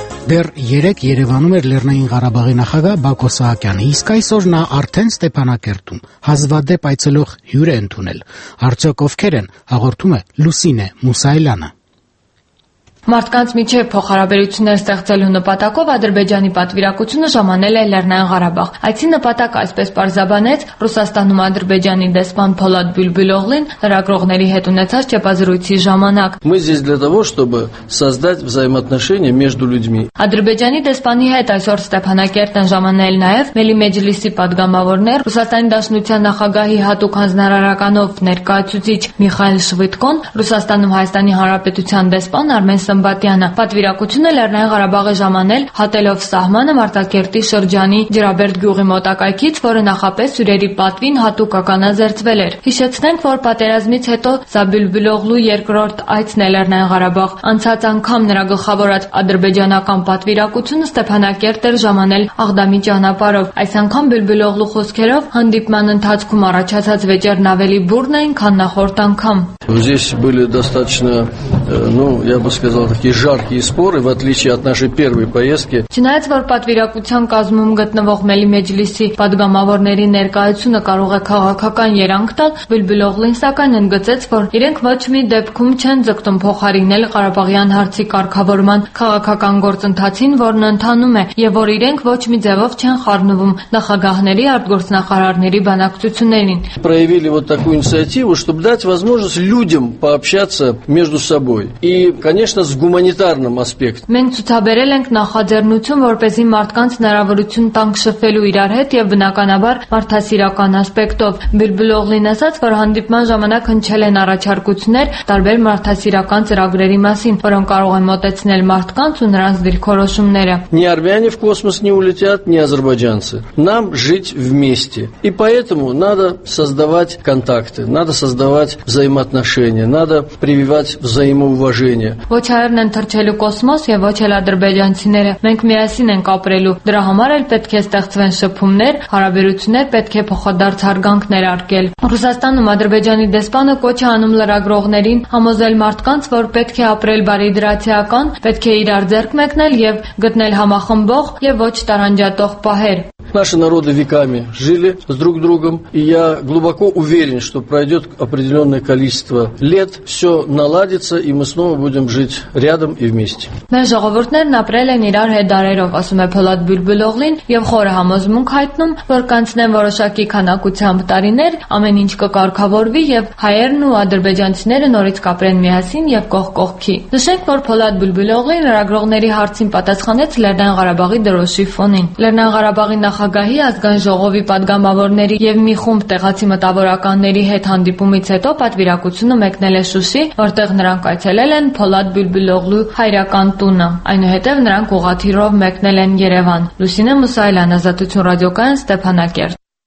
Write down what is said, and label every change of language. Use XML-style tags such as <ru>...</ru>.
<hy>Դեռ 3 Երևանում էր Լեռնային Ղարաբաղի նախագահ Բակո Սահակյանը, իսկ այսօր նա արդեն Ստեփանակերտում հազվադեպ այցելող հյուր է ընդունել։ Արդյոք ովքեր են, հաղորդում է Լուսինե Մուսայելյանը։ Մարդկանց միջև փոխհարաբերություններ ստեղծելու նպատակով Ադրբեջանի պատվիրակությունը ժամանել է Լեռնային Ղարաբաղ։ Այսի նպատակը, այսպես պարզաբանեց Ռուսաստանում Ադրբեջանի դեսպան Փոլադ Բյուլբյուլոգլին լրագրողների հետ ունեցած ճեպազրույցի ժամանակ։</hy> <ru>Мы здесь для того, чтобы создать взаимоотношения между людьми։</ru> <hy>Ադրբեջանի դեսպանի հետ այսօր Ստեփանակերտն ժամանել նաև Մելի Մեջլիսի պատգամավորներ, Ռուսաստանի Դաշնության նախագահի հատուկ հանձնարարականով ներկայացուցիչ Միխայել Շվիդկոն, Ռուսաստանում Հայաստանի Հանրապետության դեսպան Արմեն Սմբատյանը։ Պատվիրակությունը Լեռնային Ղարաբաղի ժամանել հատելով սահմանը Մարտակերտի շրջանի Ջրաբերդ գյուղի մոտակայքից, որը նախապես հյուրերի պատվին հատուկ ականաձերծվել էր։ Հիշեցնենք, որ պատերազմից հետո Զաբյուլբյուլոգլու երկրորդ այցն է Լեռնային Ղարաբաղ։ Անցած անգամ նրա գլխավորած ադրբեջանական պատվիրակությունը Ստեփանակերտ էր ժամանել Աղդամի ճանապարհով։ Այս անգամ Բյուլբյուլոգլու խոսքերով հանդիպման ընթացքում առաջացած վեճերն ավելի բուրն էին, քան նախորդ անգամ։</hy> <ru>Я бы сказал, такие жаркие споры, в отличие от нашей первой поездки.</ru> <hy>Չնայած որ պատվիրակության կազմում գտնվող Մելի Մեջլիսի падգամավորների ներկայությունը կարող է քաղաքական երանգ տալ, Բյուլբյուլոգլին սակայն ընդգծեց, որ իրենք ոչ մի դեպքում չեն ձգտում փոխարինել Ղարաբաղյան հարցի կարգավորման քաղաքական գործընթացին, որն ընդանում է, եւ որ իրենք ոչ մի ձևով չեն խառնվում նախագահների արտգործնախարարների բանակցություններին.</hy> <ru>Проявили вот такую инициативу, чтобы дать возможность людям пообщаться между собой. И, конечно, ըստ գումանիտարնում ասպեկտ։</ru> <hy>Մենք ցուցաբերել ենք նախաձեռնություն, որպեսզի մարդկանց հնարավորություն տանք շփվելու իրար հետ եւ բնականաբար մարդասիրական ասպեկտով։ Բիլբլողին ասաց, որ հանդիպման ժամանակ հնչել են առաջարկություններ տարբեր մարդասիրական ծրագրերի մասին, որոնք կարող են մոտեցնել մարդկանց ու նրանց դիրքորոշումները։</hy> <ru>Ни армяне в космос не улетят, ни азербайджанцы. Нам жить вместе. И поэтому надо создавать контакты, надо создавать взаимоотношения, надо прививать взаимоуважение.</ru> <hy>Ոչ հայրն են թռչելու կոսմոս եւ ոչ էլ ադրբեջանցիները։ Մենք միասին ենք ապրելու։ Դրա համար էլ պետք է ստեղծվեն շփումներ, հարաբերություններ, պետք է փոխադարձ հարգանքներ արգել։ Ռուսաստանում ադրբեջանի դեսպանը կոչ է անում լրագրողներին համոզել մարդկանց, որ պետք է ապրել բարիդրացիական, պետք է իրար ձեռք մեկնել եւ գտնել համախմբող եւ ոչ տարանջատող պահեր։</hy> <ru>Наши народы веками жили с друг другом, и я глубоко уверен, что пройдет определенное количество лет, все наладится, и мы снова будем жить рядом и вместе.</ru> <hy>Մեր ժողովուրդներն ապրել են իրար հետ դարերով, ասում է Փոլադ Բուլբուլոգլին, եւ խորը համոզմունք հայտնում, որ կանցնեն որոշակի քանակությամբ տարիներ, ամեն ինչ կկարգավորվի եւ հայերն ու ադրբեջանցիները նորից կապրեն միասին եւ կողք կողքի։ Նշենք, որ Փոլադ Բուլբուլոգլին լրագրողների հարցին պատասխանեց Լեռնային Ղարաբաղի դրոշի ֆոնին։ Լեռնային Ղարաբաղի նախագահի ազգային ժողովի պատգամավորների եւ մի խումբ տեղացի մտավորականների հետ հանդիպումից հետո պատվիրակությունը մեկնել է Շուշի, որտեղ նրանք այցելել են Փոլադ Բուլբուլոգլու հայրական տունը, այնուհետև նրանք ուղաթիռով մեկնել են Երևան։ Լուսինե Մուսայելյան, Ազատություն ռադիոկայան, Ստեփանակերտ։</hy>